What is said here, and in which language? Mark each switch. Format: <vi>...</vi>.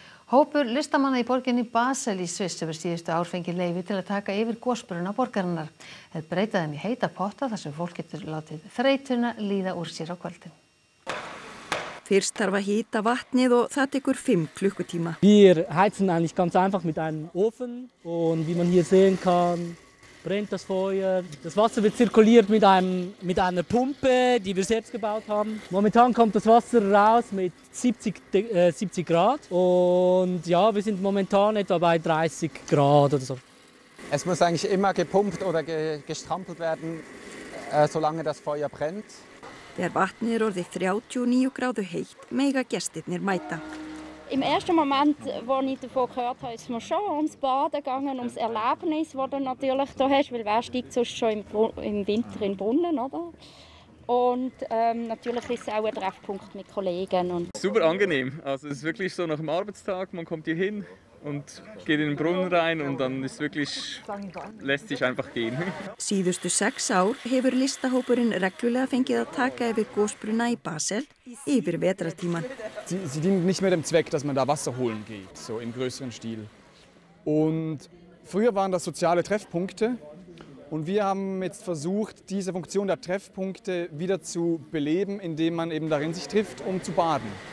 <is>Hópur listamanna í borginni Basel í Sviss hefur síðustu ár fengið leyfi til að taka yfir gosbruna borgarinnar. Þeir breyta þeim í heita potta þar sem fólk getur látið þreytuna líða úr sér á kvöldin. Fyrst þarf að hýta vatnið og það tekur 5 klukkutíma.</is> <de>Wir heizen eigentlich ganz einfach mit einem Ofen und wie man hier sehen kann, brennt das Feuer. Das Wasser wird zirkuliert mit einer Pumpe, die wir selbst gebaut haben. Momentan kommt das Wasser raus mit 70 Grad und ja, wir sind momentan etwa bei 30 Grad oder so. Es muss eigentlich immer gepumpt oder gestrampelt werden, solange das Feuer brennt.</de> <is>Der Vatn orðið 39 gráðu heitt, mega gestirnir mæta.</is> <de>Im ersten Moment, als ich davon gehört habe, ist es mir schon ums Baden gegangen, ums Erlebnis, das du natürlich hier hast. Weil wer steigt sonst schon im Winter in den Brunnen, oder? Und natürlich ist es auch ein Treffpunkt mit Kollegen. Und super angenehm. Also es ist wirklich so nach dem Arbeitstag, man kommt hier hin und geht in den Brunnen rein und dann ist wirklich, lässt sich einfach gehen.</de> <is>Síðustu sex ár hefur listahópurinn reglulega fengið að taka yfir Gosbruna í Basel yfir vetratíman.</is> <de>Sie dienen nicht mehr dem Zweck, dass man da Wasser holen geht, so im größeren Stil. Und früher waren das soziale Treffpunkte. Und wir haben jetzt versucht, diese Funktion der Treffpunkte wieder zu beleben, indem man eben darin sich trifft, um zu baden.</de>